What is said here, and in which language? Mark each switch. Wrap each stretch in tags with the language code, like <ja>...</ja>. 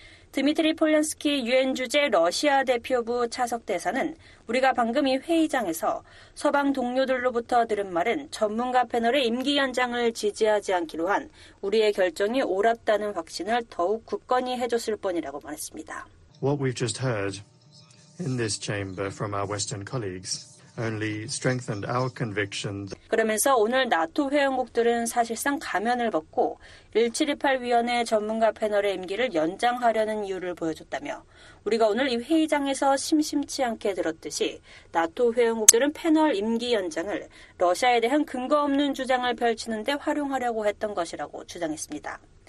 <ko>드미트리 폴란스키 유엔 주재 러시아 대표부 차석 대사는 우리가 방금 이 회의장에서 서방 동료들로부터 들은 말은 전문가 패널의 임기 연장을 지지하지 않기로 한 우리의 결정이 옳았다는 확신을 더욱 굳건히 해줬을 뿐이라고 말했습니다.</ko> <en>What we've just heard in this chamber from our Western colleagues. Only strengthened our conviction.</en> <ko>그러면서 오늘 나토 회원국들은 사실상 가면을 벗고 1718 위원회 전문가 패널의 임기를 연장하려는 이유를 보여줬다며 우리가 오늘 이 회의장에서 심심치 않게 들었듯이 나토 회원국들은 패널 임기 연장을 러시아에 대한 근거 없는 주장을 펼치는 데 활용하려고 했던 것이라고 주장했습니다.</ko>